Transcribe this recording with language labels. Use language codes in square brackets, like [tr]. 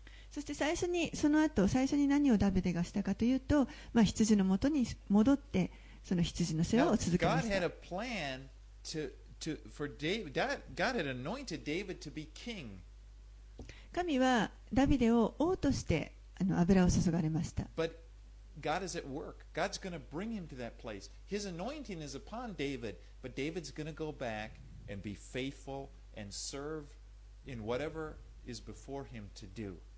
[ja] そして最初に、その後最初に何をダビデがしたかというと、羊の元に戻って、その羊の世話を続けました。 [en] God had a plan for David. God had anointed David to be king. [ja] 神はダビデを王として油を注がれました。 [en] God is at work. God's going to bring him to that place. His anointing is upon David, but David's going to go back and be faithful and serve in whatever is before him to do.